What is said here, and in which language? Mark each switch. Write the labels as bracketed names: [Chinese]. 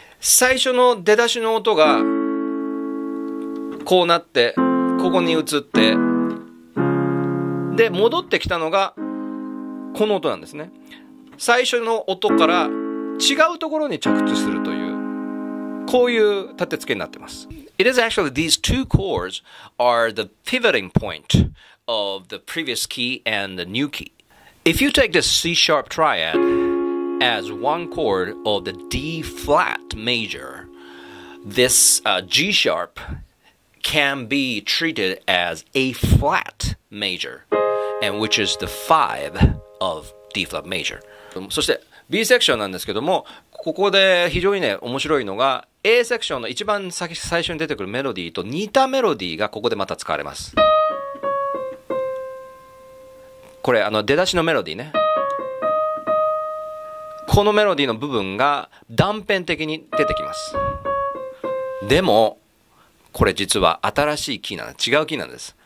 [Japanese] 最初の出だしの音がこうなって、ここに移って、で戻ってきたのがこの音なんですね。最初の音から違うところに着地するという、こういう立て付けになってます。 [English] It is actually these two chords are the pivoting point of the previous key and the new key. If you take this C sharp triad as one chord of the D flat major, this G sharp can be treated as A flat major, and which is the five of D flat major. [Japanese] そして B セクションなんですけども、ここで非常にね、面白いのが、A セクションの一番最初に出てくるメロディーと似たメロディーがここでまた使われます。これあの出だしのメロディーね、このメロディーの部分が断片的に出てきます。でもこれ実は新しいキーなんです、違うキーなんです。